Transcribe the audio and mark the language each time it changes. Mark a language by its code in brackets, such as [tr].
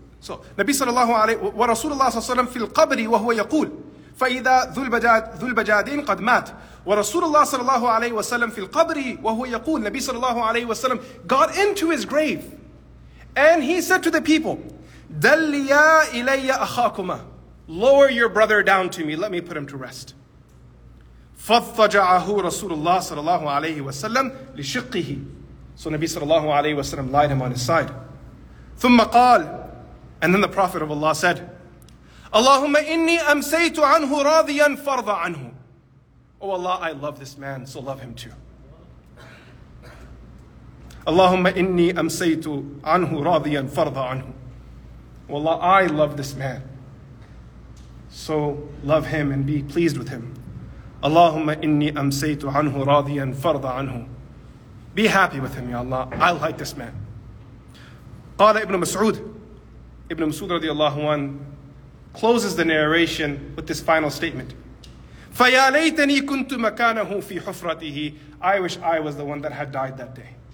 [ar] So Nabi sallallahu alayhi wa rasulullah sallallahu fil qabri wa huwa yaqul فَإِذَا ذُو الْبَجَادِينِ قَدْ مَاتْ وَرَسُولُ اللَّهِ صَلَى اللَّهُ عَلَيْهِ وَسَلَّمْ فِي الْقَبْرِ وَهُوَ يَقُولُ Nabi صلى الله عليه وسلم [en] got into his grave and he said to the people [ar] دَلِّيَا إِلَيَّ أَخَاكُمَا [en] lower your brother down to me, let me put him to rest. [ar] فَضَّجَعَهُ رَسُولُ اللَّهِ صَلَى اللَّهُ عَلَيْهِ وَسَلَّمْ لِشِقِّهِ. [en] So Nabi صلى الله عليه وسلم laid him on his side. [ar] ثُمَّ قَال, [en] and then the Prophet of Allah said, [ar] اللهم إني أمسيت عنه راضيا فرض عنه. [en] Oh Allah, I love this man, so love him too. [ar] اللهم إني أمسيت عنه راضيا فرض عنه. [en] Oh Allah, I love this man, so love him and be pleased with him. [ar] اللهم إني أمسيت عنه راضيا فرض عنه. [en] Be happy with him, Ya Allah. I like this man. [ar] قال ابن مسعود. [en] Ibn Mas'ud رضي الله عنه closes the narration with this final statement. [ar] فَيَا لَيْتَنِي كُنْتُ مَكَانَهُ فِي حُفْرَتِهِ. [en] I wish I was the one that had died that day.